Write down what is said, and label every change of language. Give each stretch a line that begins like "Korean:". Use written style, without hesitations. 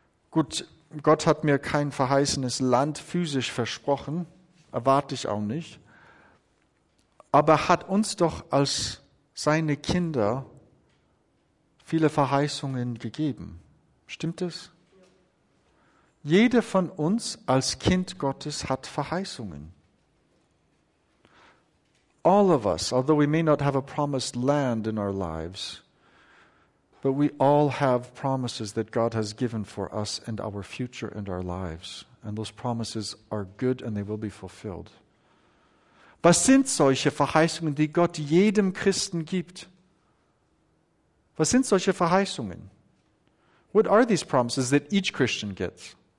German: Gut, Gott hat mir kein verheißenes Land physisch versprochen, erwarte ich auch nicht, aber hat uns doch als seine Kinder viele Verheißungen gegeben. Stimmt es? Jeder von uns als Kind Gottes hat Verheißungen.
English: All of us, although we may not have a promised land in our lives, but we all have promises that God has given for us and our future and our lives. And those promises are good and they will be fulfilled.
German: Was sind solche Verheißungen, die Gott jedem Christen gibt? Was sind solche Verheißungen?
English: What are these promises that each Christian gets?